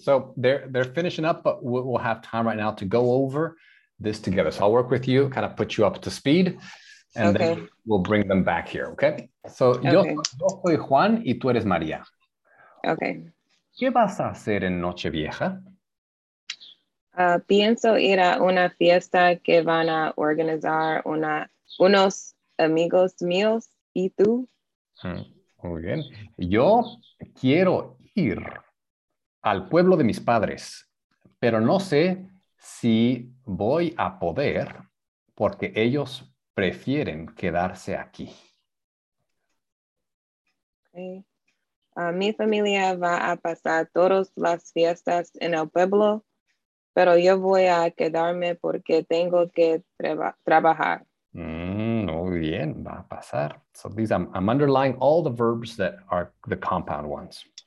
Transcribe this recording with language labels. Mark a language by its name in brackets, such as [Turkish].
[English] So they're finishing up, but we'll have time right now to go over this together. So I'll work with you, kind of put you up to speed, and okay. Then we'll bring them back here, okay? [Spanish] So yo soy Juan y tú eres María. [English] Okay. [Spanish] ¿Qué vas a hacer en Nochevieja? Pienso ir a una fiesta que van a organizar unos amigos míos y tú. Muy bien. Yo quiero ir al pueblo de mis padres, pero no sé si voy a poder porque ellos prefieren quedarse aquí. [English] Okay. [Spanish] Mi familia va a pasar todas las fiestas en el pueblo, pero yo voy a quedarme porque tengo que trabajar. Muy bien, va a pasar. [English] So these, I'm underlying all the verbs that are the compound ones.